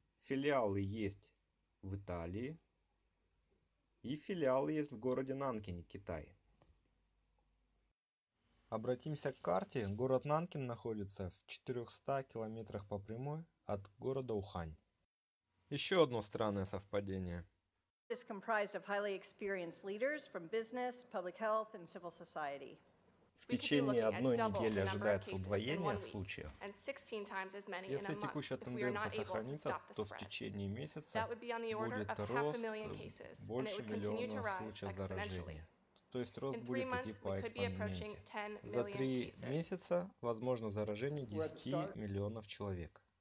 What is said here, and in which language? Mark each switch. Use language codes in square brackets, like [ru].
[ru] Филиалы есть в Италии и филиалы есть в городе Нанкине, Китай. Обратимся к карте. Город Нанкин находится в 400 километрах по прямой от города Ухань. Еще одно странное совпадение. [en] It's comprised of highly experienced leaders from business, public health and civil society. [ru] В течение одной недели ожидается удвоение случаев. Если текущая тенденция сохранится, то в течение месяца будет рост больше миллиона случаев заражения. То есть рост будет идти по экспоненте. За 3 месяца возможно заражение 10 миллионов человек.